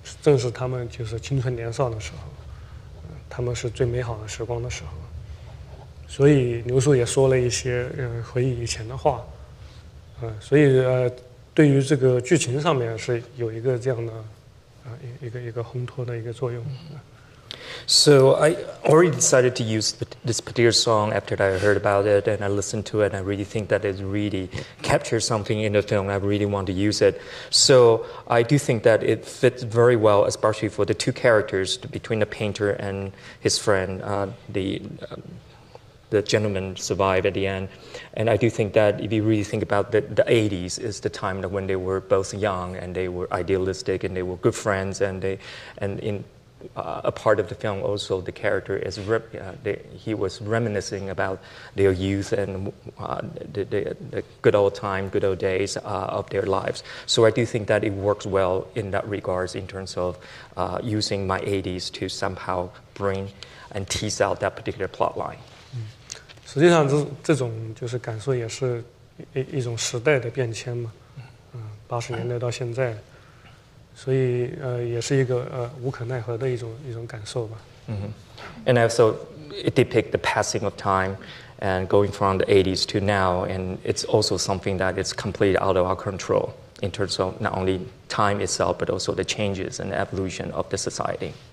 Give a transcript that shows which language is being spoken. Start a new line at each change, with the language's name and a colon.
Chinese: 正是他们就是青春年少的时候，他们是最美好的时光的时候，所以刘叔也说了一些回忆以前的话，所以对于这个剧情上面是有一个这样的一个烘托的一个作用。
English: So I already decided to use this particular song after I heard about it and I listened to it. I really think that it really captures something in the film. I really want to use it. So I do think that it fits very well, especially for the two characters between the painter and his friend, the gentleman survived at the end. And I do think that if you really think about the 80s is the time that when they were both young and they were idealistic and they were good friends and a part of the film also the character is he was reminiscing about their youth and the good old time, good old days of their lives. So I do think that it works well in that regards in terms of using my 80s to somehow bring and tease out that particular plot line.
Chinese: 实际上这种就是感受也是一种时代的变迁嘛，八十年代到现在。所以也是一个无可奈何的一种感受吧。 Mm-hmm.
English: And also it depicts the passing of time and going from the 80s to now, and it's also something that is completely out of our control in terms of not only time itself but also the changes and the evolution of the society.